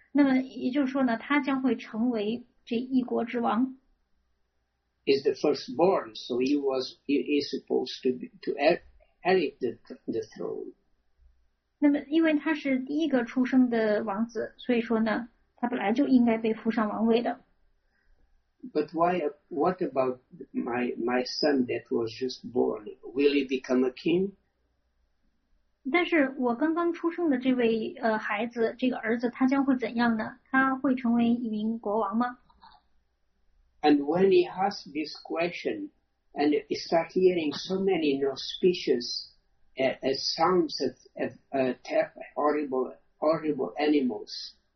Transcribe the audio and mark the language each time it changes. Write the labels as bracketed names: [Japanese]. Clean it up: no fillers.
[Chinese] 那么也就是说呢，他将会成为这一国之王。 [English] Is the firstborn, so he is supposed to inherit the throne. [Chinese] 那么因为他是第一个出生的王子，所以说呢，他本来就应该被扶上王位的。 [English] But why, what about my son that was just born? Will he become a king? [Chinese] 但是我刚刚出生的这位孩子，这个儿子他将会怎样呢？他会成为一名国王吗？ [English] And when he asked this question, and he started hearing so many auspicious sounds of horrible animals.